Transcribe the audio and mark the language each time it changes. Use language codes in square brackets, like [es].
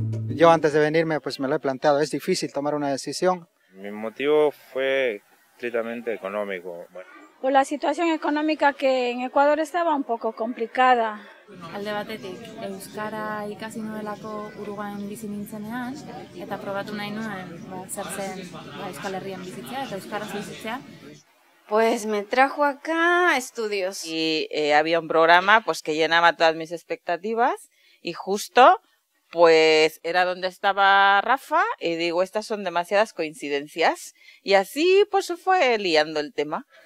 [es] Yo antes de venirme, pues me lo he planteado, es difícil tomar una decisión. Mi motivo fue estrictamente económico. Bueno. Pues la situación económica que en Ecuador estaba un poco complicada. [eu] Alde batetik, euskara ikasi nuelako Uruguain bizi nintzenean, eta probatu nahi nuen, ba, zer zen ba, Euskal Herrian bizitzea, eta euskaraz bizitzea. [es] Pues me trajo acá estudios. Y había un programa pues que llenaba todas mis expectativas y justo pues era donde estaba Rafa y digo, estas son demasiadas coincidencias. Y así pues fue liando el tema.